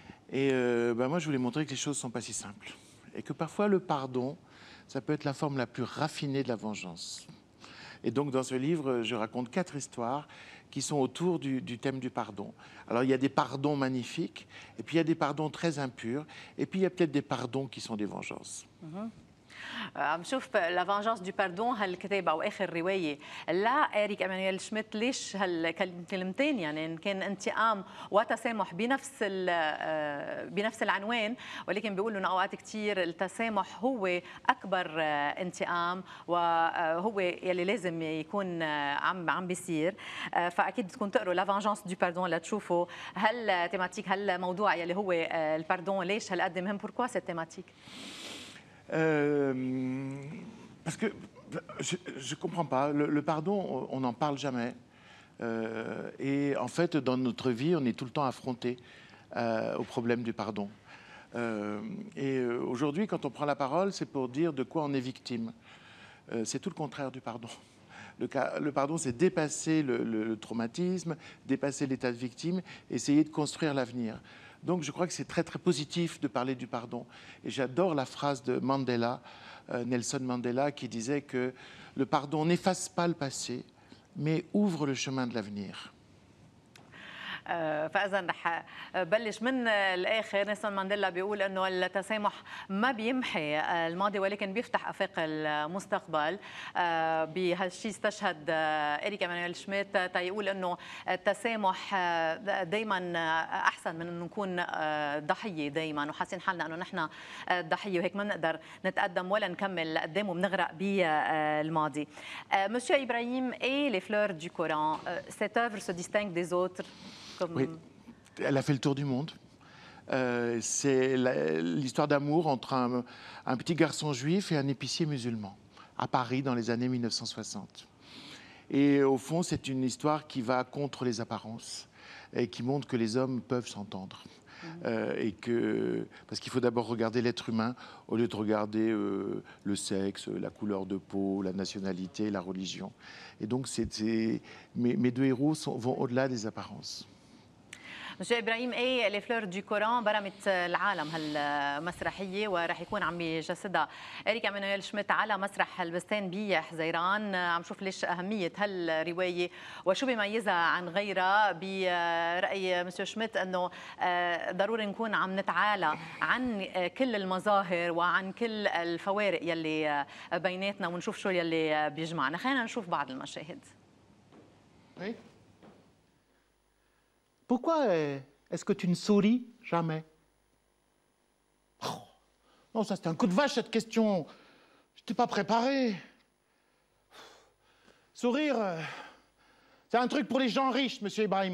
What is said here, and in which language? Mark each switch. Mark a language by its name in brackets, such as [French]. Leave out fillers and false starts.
[French] Et ben moi je voulais montrer que les choses sont pas si simples et que parfois le pardon, ça peut être la forme la plus raffinée de la vengeance. Et donc dans ce livre, je raconte quatre histoires qui sont autour du thème du pardon. Alors il y a des pardons magnifiques, et puis il y a des pardons très impurs, et puis il y a peut-être des pardons qui sont des vengeances. Mm-hmm. [Arabic] عم شوف لا فانجانس دو باردون هالكتاب او اخر روايه لا اريك امانويل شميت، ليش هالكلمتين؟ يعني ان كان انتقام وتسامح بنفس العنوان، ولكن بيقولوا انه اوقات كثير التسامح هو اكبر انتقام، وهو يلي لازم يكون عم بيصير. فاكيد بتكون تقروا لا فانجانس دو باردون لتشوفوا هالتيماتيك، هالموضوع يلي هو الباردون ليش هالقد مهم. [French] بوركوا سيت تيماتيك؟ Parce que je ne comprends pas. Le pardon, on n'en parle jamais. Et en fait, dans notre vie, on est tout le temps affronté au problème du pardon. Et aujourd'hui, quand on prend la parole, c'est pour dire de quoi on est victime. C'est tout le contraire du pardon. Le pardon, c'est dépasser le traumatisme, dépasser l'état de victime, essayer de construire l'avenir. Donc je crois que c'est très très positif de parler du pardon. Et j'adore la phrase de Mandela, Nelson Mandela, qui disait que le pardon n'efface pas le passé, mais ouvre le chemin de l'avenir. [Arabic] فإذا رح بلش من الآخر. نيلسون مانديلا بيقول أنه التسامح ما بيمحي الماضي ولكن بيفتح أفاق المستقبل. بهالشي استشهد إريك إيمانويل شميت تيقول أنه التسامح دايما أحسن من أن نكون ضحية دايما وحاسين حالنا أنه نحن ضحية وهيك ما نقدر نتقدم ولا نكمل قدام ومنغرق بالماضي. [French] مسيو إبراهيم إي لي فلور دو كوران سيت أوفر سو ديستينك ديز أوتر. Oui, elle a fait le tour du monde. C'est l'histoire d'amour entre un petit garçon juif et un épicier musulman à Paris dans les années 1960. Et au fond, c'est une histoire qui va contre les apparences et qui montre que les hommes peuvent s'entendre. Et que, parce qu'il faut d'abord regarder l'être humain au lieu de regarder le sexe, la couleur de peau, la nationalité, la religion. Et donc, mes deux héros vont au-delà des apparences. [Arabic] مسيو إبراهيم إيه لي فلور دو كوران برمت العالم هالمسرحية وراح يكون عم يجسدها إريك إيمانويل شميت على مسرح البستان بحزيران. عم شوف ليش أهمية هالرواية وشو بيميزها عن غيرها. برأي مسيو شميت أنه ضروري نكون عم نتعالى عن كل المظاهر وعن كل الفوارق يلي بيناتنا ونشوف شو يلي بيجمعنا. خلينا نشوف بعض المشاهد. [French] Pourquoi est-ce que tu ne souris jamais? Oh, non, ça c'était un coup de vache cette question. Je t'ai pas préparé. Sourire, c'est un truc pour les gens riches, monsieur Ibrahim.